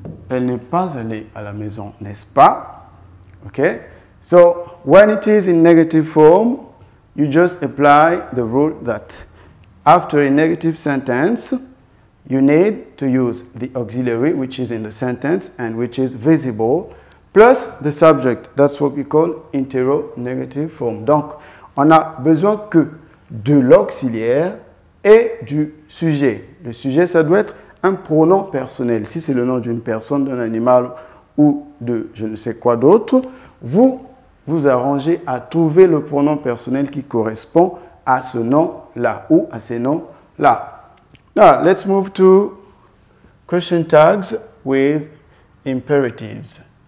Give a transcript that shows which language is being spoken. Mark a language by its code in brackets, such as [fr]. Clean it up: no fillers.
[fr] Elle n'est pas allée à la maison, n'est-ce pas? [en] Okay? So, when it is in negative form, you just apply the rule that after a negative sentence, you need to use the auxiliary, which is in the sentence and which is visible, plus the subject. That's what we call interrogative form. [fr] Donc, on a besoin que de l'auxiliaire et du sujet. Le sujet, ça doit être un pronom personnel, si c'est le nom d'une personne, d'un animal ou de je ne sais quoi d'autre, vous vous arrangez à trouver le pronom personnel qui correspond à ce nom-là ou à ces noms-là. [en] Now, let's move to question tags with imperatives.